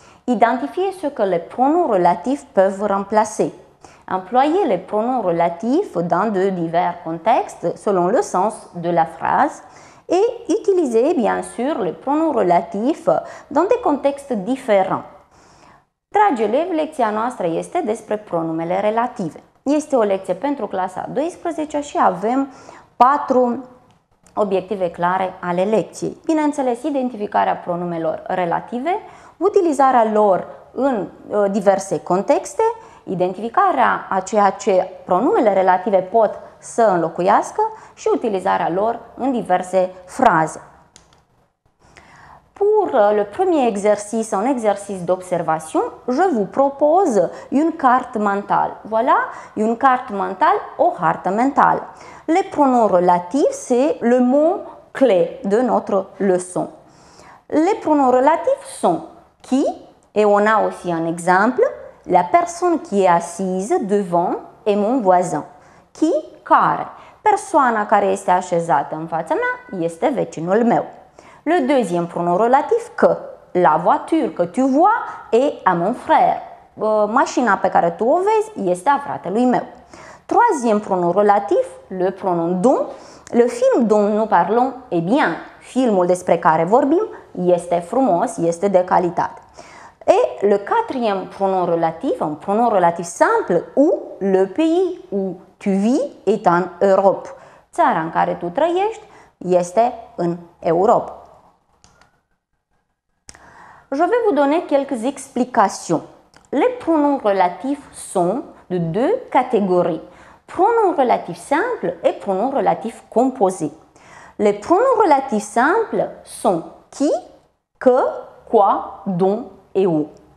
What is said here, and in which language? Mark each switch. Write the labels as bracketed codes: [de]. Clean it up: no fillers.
[fr] Identifier ce que les pronoms relatifs peuvent remplacer. Employer les pronoms relatifs dans de divers contextes selon le sens de la phrase. Et utiliser, bien sûr, les pronoms relatifs dans des contextes différents. [ro] Dragi elevi, lecția noastră este despre pronumele relative. Este o lecție pentru clasa 12 și avem 4 obiective clare ale lecției. Bineînțeles, identificarea pronumelor relative, utilizarea lor în diverse contexte, identificarea a ceea ce pronumele relative pot să înlocuiască și utilizarea lor în diverse fraze. [fr] Pour le premier exercice, un exercice d'observation, je vous propose une carte mentale. Voilà, une carte mentale, [ro] o hartă mentală. [fr] Les pronoms relatifs, c'est le mot clé de notre leçon. Les pronoms relatifs sont qui, et on a aussi un exemple, la personne qui est assise devant est mon voisin. Qui, care. [ro] Persoana care este așezată în fața mea este vecinul meu. [fr] Le deuxième pronom relatif, că, la voiture, că tu vois, est à mon frère. [ro] Mașina pe care tu o vezi este a fratelui meu. [fr] Troisième pronom relatif, le pronom dont, le film dont nous parlons est bien. [ro] Filmul despre care vorbim este frumos, este de calitate. [fr] Et le quatrième pronom relatif, un pronom relatif simple, où le pays où tu vis est en Europe. [ro] Țara în care tu trăiești este în Europa. [fr] Je vais vous donner quelques explications. Les pronoms relatifs sont de deux catégories. Pronoms relatifs simples et pronoms relatifs composés. Les pronoms relatifs simples sont qui, que, quoi, dont et où.